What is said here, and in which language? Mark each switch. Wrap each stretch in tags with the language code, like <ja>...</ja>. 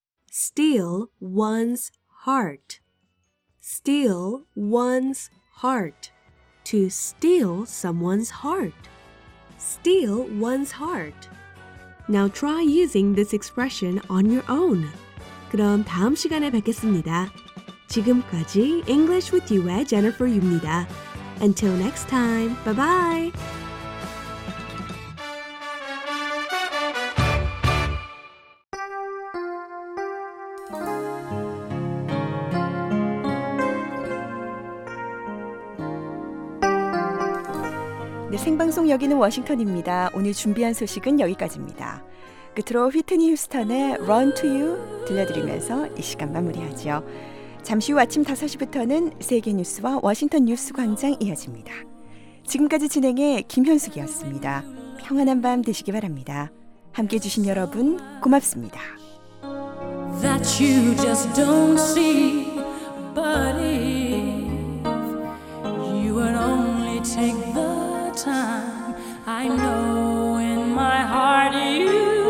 <en>Steal one's heart. Steal one's heart. To steal someone's heart. Steal one's heart. Now try using this expression on your own.</en> <ko>그럼 다음 시간에 뵙겠습니다. 지금까지 English with You의 Jennifer입니다.</ko> <en>Until next time, bye-bye!</en> <ko>The 생방송 여기는 워싱턴입니다. 오늘 준비한 소식은 여기까지입니다. 끝으로 휘트니 휴스턴의 Run to You 들려드리면서 이 시간 마무리하죠. 잠시 후 아침 5시부터는 세계뉴스와 워싱턴 뉴스 광장 이어집니다. 지금까지 진행해 김현숙이었습니다. 평안한 밤 되시기 바랍니다. 함께해 주신 여러분 고맙습니다.</ko> <en>That you just don't see, but if you would only take the time, I know in my heart you</en>